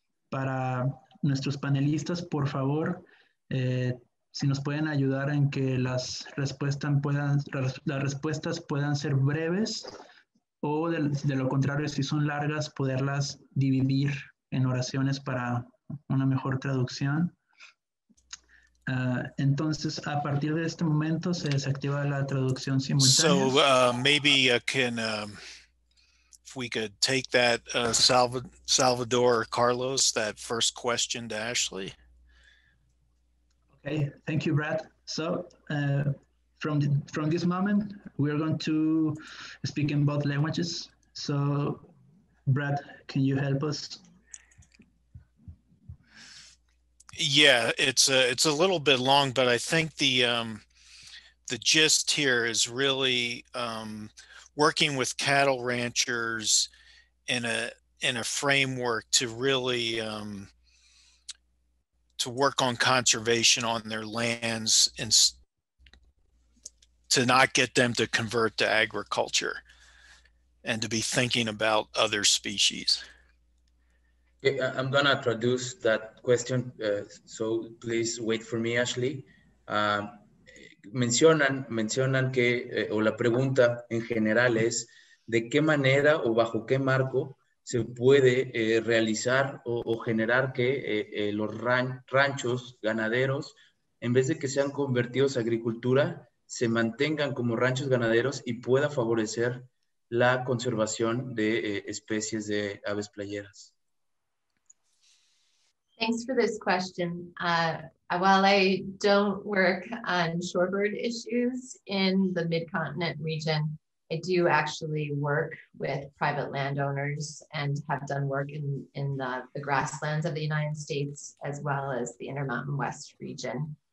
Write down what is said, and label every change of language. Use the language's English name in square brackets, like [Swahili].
[Spanish] Para nuestros panelistas, por favor, si nos pueden ayudar en que las respuestas puedan ser breves o de lo contrario, si son largas, poderlas dividir en oraciones para una mejor traducción. Entonces, a partir de este momento, se desactiva la traducción simultánea. [English] So, maybe I can, if we could take that, Salvador Carlos, that first question to Ashley. Okay, thank you, Brad. So, from this moment, we are going to speak in both languages. So, Brad, can you help us? Yeah, it's a little bit long, but I think the gist here is really working with cattle ranchers in a framework to really to work on conservation on their lands and to not get them to convert to agriculture and to be thinking about other species. I'm gonna traduce that question, so please wait for me, Ashley. [Spanish] Mencionan que, o la pregunta en general es, ¿de qué manera o bajo qué marco se puede realizar o generar que los ranchos ganaderos, en vez de que sean convertidos a agricultura, se mantengan como ranchos ganaderos y pueda favorecer la conservación de especies de aves playeras? [English] Thanks for this question. While I don't work on shorebird issues in the Mid-Continent region, I do actually work with private landowners and have done work in the grasslands of the United States as well as the Intermountain West region.